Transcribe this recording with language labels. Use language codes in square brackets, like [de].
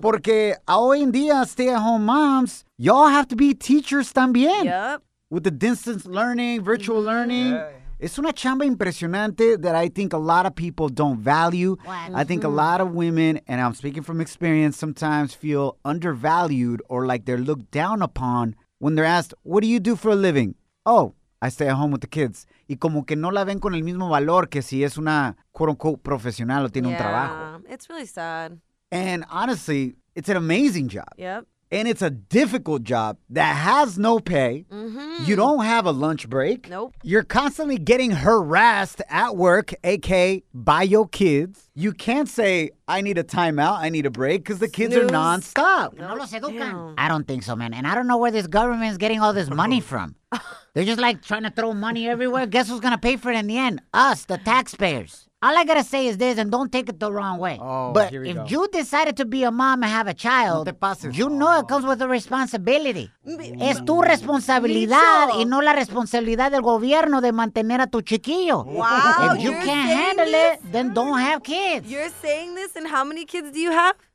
[es] Porque hoy en día, [en] stay-at-home moms, y'all have to be teachers [es] también. [en] Yep. With the distance learning, virtual learning. Yeah. It's [es] una chamba impresionante [en] that I think a lot of people don't value. What? I think a lot of women, and I'm speaking from experience, sometimes feel undervalued or like they're looked down upon when they're asked, what do you do for a living? Oh, I stay at home with the kids. [es] Y como que no la ven con el mismo valor que si es una, [en] quote unquote, [es] profesional o tiene un trabajo. [en] It's really sad. And honestly, it's an amazing job. Yep. And it's a difficult job that has no pay. Mm-hmm. You don't have a lunch break. Nope. You're constantly getting harassed at work, aka by your kids. You can't say, I need a timeout, I need a break, because the kids are nonstop. Damn. I don't think so, man. And I don't know where this government is getting all this money from. They're just like trying to throw money everywhere. Guess who's going to pay for it in the end? Us, the taxpayers. All I got to say is this, and don't take it the wrong way. But you decided to be a mom and have a child, you know it comes with a responsibility. [es] Es tu responsabilidad y no la responsabilidad del gobierno de mantener a tu chiquillo. [en] Wow. If you can't handle this? It, then don't have kids. You're saying this, and how many kids do you have?